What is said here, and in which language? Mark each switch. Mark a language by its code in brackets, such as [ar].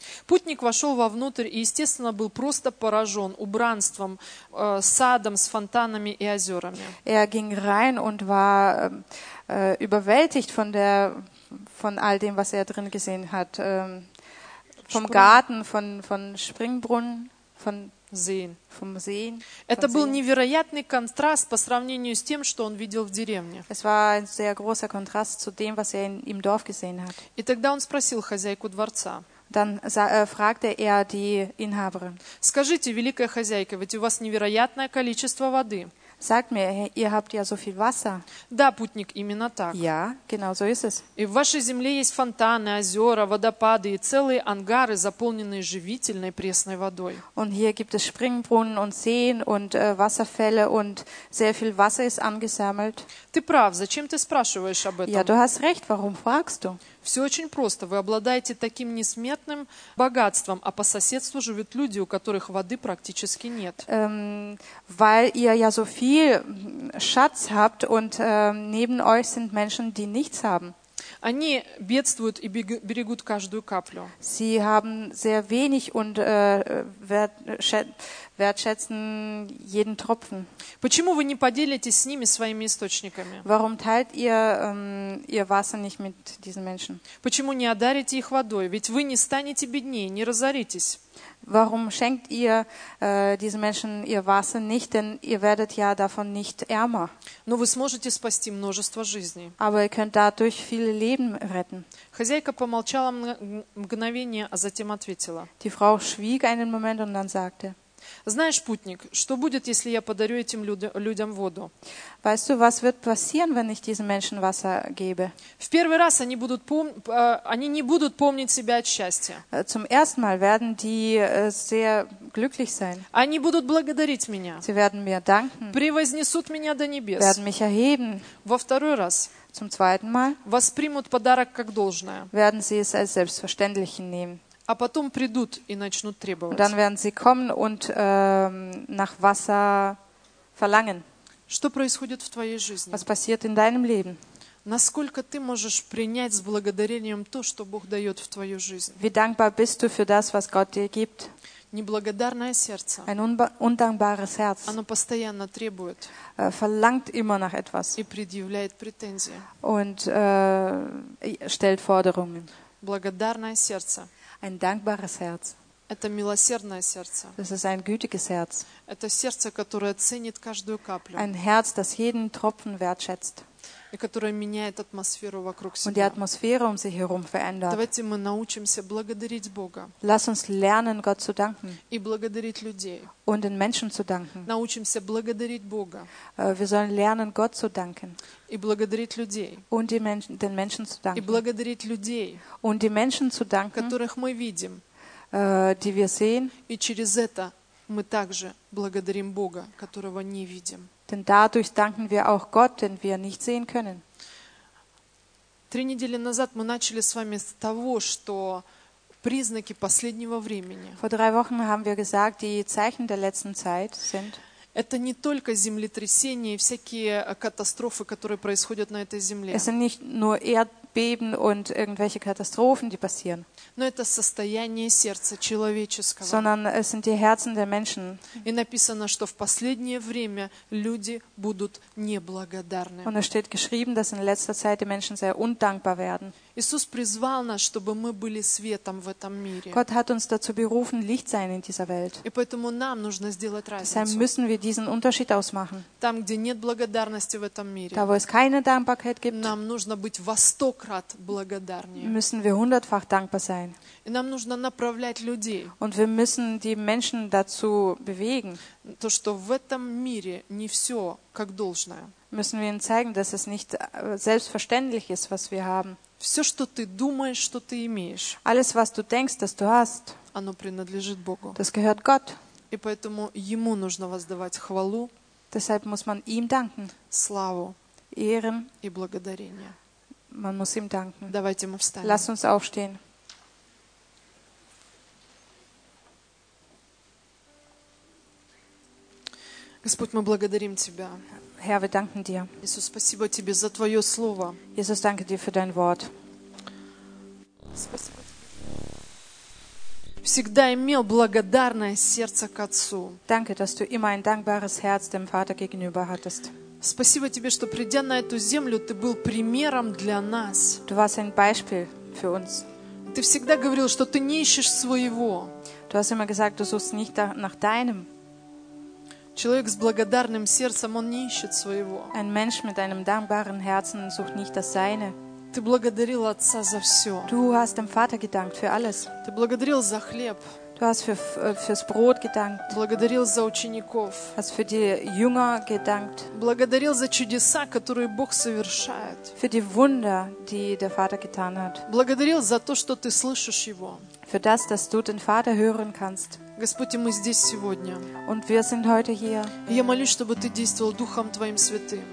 [ru] Путник вошел вовнутрь и, естественно, был просто поражен убранством, садом с фонтанами и озерами. [de] Er ging rein und war überwältigt von all dem, was er drin gesehen hat. Vom Garten, von Springbrunnen, von Seen. Vom Seen. [ru] Это был невероятный контраст по сравнению с тем, что он видел в деревне. [de] Es war ein sehr großer Kontrast zu dem, was er im Dorf gesehen hat. [ru] И тогда он спросил хозяйку дворца. [de] Dann fragte er die Inhaberin. [ru] Скажите, великая хозяйка, ведь у вас невероятное количество воды. [de] Sagt mir, ihr habt ja so viel Wasser. [ru] Да, путник, именно так. [de] Ja, genau so ist es. [ru] И в вашей земле есть фонтаны, озера, водопады и целые ангары, заполненные живительной пресной водой. [de] Und hier gibt es Springbrunnen und Seen und Wasserfälle und sehr viel Wasser ist angesammelt. [ru] Ты прав, зачем ты спрашиваешь об этом? [de] Ja, du hast recht, warum fragst du? [ru] Все очень просто. Вы обладаете таким несметным богатством, а по соседству живут люди, у которых воды практически нет. [de] Weil ihr ja so viel Schatz habt und neben euch sind Menschen, die nichts haben. [ru] Они бедствуют и берегут каждую каплю. [de] Sie haben sehr wenig und wertschätzen jeden Tropfen. [ru] Почему вы не поделитесь с ними своими источниками? [de] Warum teilt ihr ihr Wasser nicht mit diesen Menschen? [ru] Почему не одарите их водой? Ведь вы не станете беднее, не разоритесь. [de] Warum schenkt ihr diesen Menschen ihr Wasser nicht, denn ihr werdet ja davon nicht ärmer. [ru] Но вы сможете спасти множество жизней. [de] Aber ihr könnt dadurch viele Leben retten. [ru] Хозяйка помолчала мгновение, а затем ответила. [de] Die Frau schwieg einen Moment und dann sagte: [ru] Знаешь, путник, что будет, если я подарю этим людям воду? [de] Weißt du, was wird passieren, wenn ich diesen Menschen Wasser gebe? [ru] В первый раз они будут они не будут помнить себя от счастья. [de] Zum ersten Mal werden die sehr glücklich sein. [ru] Они будут благодарить меня. [de] Sie werden mir danken. [ru] Превознесут меня до небес. [de] Werden mich erheben. [ru] Во второй раз. [de] Zum zweiten Mal. [ru] Воспримут подарок как должное. [de] Werden sie es als selbstverständlich nehmen. [ru] А потом придут и начнут требовать. [de] Dann werden sie kommen und nach Wasser verlangen. [ru] Что происходит в твоей жизни? [de] Was passiert in deinem Leben? [ru] Насколько ты можешь принять с благодарением то, что Бог дает в твою жизнь? [de] Wie dankbar bist du für das, was Gott dir gibt? [ru] Неблагодарное сердце. [de] Ein undankbares Herz. [ru] Оно постоянно требует. [de] Verlangt immer nach etwas. [ru] И предъявляет претензии. [de] Und stellt Forderungen. [ru] Благодарное сердце. [de] Ein dankbares Herz. [ru] Это милосердное сердце. [de] Das ist ein gütiges Herz. [ru] Это сердце, которое ценит каждую каплю. [de] Ein Herz, das jeden Tropfen wertschätzt. [ru] И которое меняет атмосферу вокруг себя. [de] Und die Atmosphäre um sich herum verändert. [ru] Давайте мы научимся благодарить Бога. [de] Lass uns lernen, Gott zu danken. [ru] И благодарить людей. [de] Und den Menschen zu danken. [ru] Научимся благодарить Бога. [de] Wir sollen lernen, Gott zu danken. [ru] И благодарить людей. [de] Und die den Menschen zu danken. [ru] И благодарить людей. [de] Und die Menschen zu danken. [ru] Которых мы видим. [de] Die wir sehen. [ru] И через это мы также благодарим Бога, которого не видим. [de] Denn dadurch danken wir auch Gott, den wir nicht sehen können. [ru] 3 недели назад мы начали с вами с того, что признаки последнего времени. [de] Vor 3 Wochen haben wir gesagt, die Zeichen der letzten Zeit sind. [ru] Это не только землетрясения и всякие катастрофы, которые происходят на этой земле. [de] Es sind nicht nur Erdbeben und irgendwelche Katastrophen, die passieren. [ru] Но это состояние сердца человеческого. [de] Sondern es sind die Herzen der Menschen. [ru] И написано, что в последнее время люди будут неблагодарны. [de] Und es steht geschrieben, dass in letzter Zeit die Menschen sehr undankbar werden. [ru] Иисус призвал нас, чтобы мы были светом в этом мире. [de] Gott hat uns dazu berufen, Licht sein in dieser Welt. [ru] И поэтому нам нужно сделать разницу. [de] Deshalb müssen wir diesen Unterschied ausmachen. [ru] Там, где нет благодарности в этом мире. [de] Da, wo es keine Dankbarkeit gibt. [ru] Нам нужно быть во 100 крат благодарнее. [de] Müssen wir 100-fach dankbar sein. [ru] И нам нужно направлять людей. [de] Und wir müssen die Menschen dazu bewegen. [ru] То, что в этом мире не все как должное. [de] Müssen wir ihnen zeigen, dass es nicht selbstverständlich ist, was wir haben. [ru] Все, что ты думаешь, что ты имеешь. [de] Alles, was du denkst, das du hast. [ru] Оно принадлежит Богу. [de] Das gehört Gott. [ru] И поэтому ему нужно воздавать хвалу. [de] Deshalb muss man ihm danken. [ru] Славу. [de] Ehren. [ru] И благодарение. [de] Man muss ihm danken. [ru] Давайте мы встанем. [de] Lass uns aufstehen. [ru] Господь, мы благодарим Тебя. [de] Herr, wir danken Dir. [ru] Иисус, спасибо Тебе за Твое Слово. [de] Jesus, danke Dir für Dein Wort. [ru] Спасибо Тебе. Всегда имел благодарное сердце к Отцу. [de] Danke, dass Du immer ein dankbares Herz dem Vater gegenüber hattest. [ru] Спасибо Тебе, что придя на эту землю, Ты был примером для нас. [de] Du warst ein Beispiel für uns. [ru] Ты всегда говорил, что Ты не ищешь своего. [de] Du hast immer gesagt, du suchst nicht nach Deinem. [ru] Человек с благодарным сердцем, он не ищет своего. [de] Ein Mensch mit einem dankbaren Herzen sucht nicht das Seine. [ru] Ты благодарил Отца за все. [de] Du hast dem Vater gedankt für alles. [ru] Ты благодарил за хлеб. [de] Du hast fürs Brot gedankt. [ru] Благодарил за учеников. [de] Hast für die Jünger gedankt. [ru] Благодарил за чудеса, которые Бог совершает. [de] Für die Wunder, die der Vater getan hat. [ru] Благодарил за то, что ты слышишь его. [de] Für das, dass du den Vater hören kannst. [ru] Господи, мы здесь сегодня. [de] Und wir sind heute hier. [ru] И я молюсь, чтобы ты действовал Духом твоим святым.